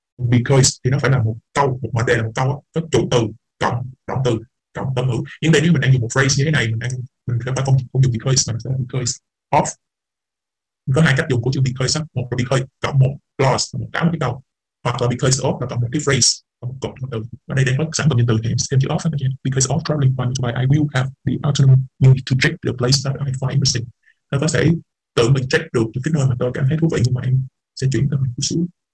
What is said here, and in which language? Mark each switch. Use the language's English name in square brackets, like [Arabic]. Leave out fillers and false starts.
[Vietnamese] Because thì nó phải là một câu, một mệnh đề là một câu, có chủ từ, cộng động từ, cộng tâm ngữ. Nhưng đây nếu mình đang dùng một phrase như thế này, mình sẽ phải không dùng because, mà mình sẽ dùng because of. Mình có hai cách dùng của chữ because, một là because, cộng một clause, một cái câu. Hoặc là because of, là cộng một cái phrase, một cộng động từ. Và đây đang có sẵn cộng nhân từ thì xem chữ off. [English] Because of traveling my motorbike, I will have the autonomy to check the place that I find interesting. [Vietnamese] Nó có thể tự mình check được những cái nơi mà tôi cảm thấy thú vị, nhưng mà em sẽ chuyển cho mình một xíu.